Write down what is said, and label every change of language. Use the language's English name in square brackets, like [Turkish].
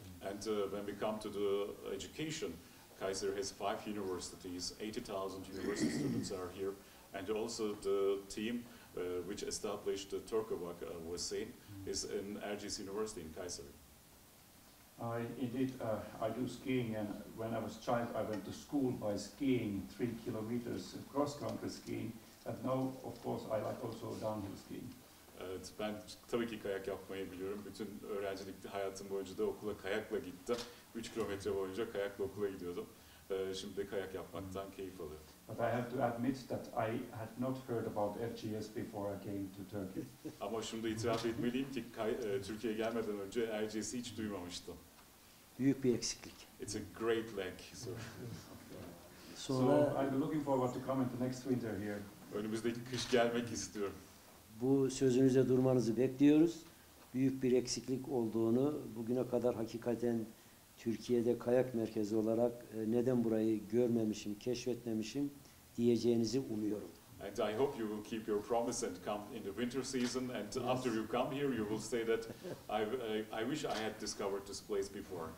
[English] And when we come to the education, Kayseri has 5 universities, 80,000 university students are here and also the team which established the CureVac vaccine is in Erciyes University in Kayseri. I do skiing and when I was a child I went to school by skiing 3 kilometers cross country skiing and now of course I like also downhill skiing. [Turkish] Evet, ben tabii ki kayak yapmayı biliyorum. Bütün öğrencilik hayatım boyunca da okula kayakla gittim. 3 kilometre boyunca kayakla okula gidiyordum. Şimdi de kayak yapmaktan keyif alıyorum. [English] But I have to admit that I had not heard about FGS before I came to Turkey. [Turkish] Ama şunu da itiraf etmeliyim ki Türkiye'ye gelmeden önce FGS'i hiç duymamıştım. Büyük bir eksiklik. [English] It's a great lack. So I'm looking forward to coming the next winter here. [Turkish] Önümüzdeki kış gelmek istiyorum. Bu sözünüze durmanızı bekliyoruz. Büyük bir eksiklik olduğunu, bugüne kadar hakikaten Türkiye'de kayak merkezi olarak neden burayı görmemişim, keşfetmemişim diyeceğinizi umuyorum. [English] And I hope you will keep your promise and come in the winter season and yes. After you come here you will say that I wish I had discovered this place before.